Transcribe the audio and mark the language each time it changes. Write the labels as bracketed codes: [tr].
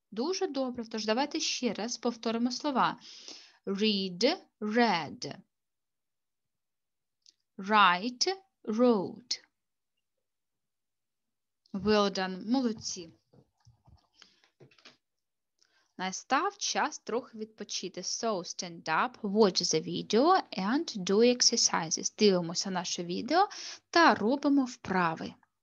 [uk] Дуже добре, тож давайте ще раз повторимо слова. [en] Read, read. Write, wrote. Well done, молодці. [uk] Настав час трохи відпочити. [en] So, stand up, watch the video and do exercises. [uk] Дивимося наше відео та робимо вправи.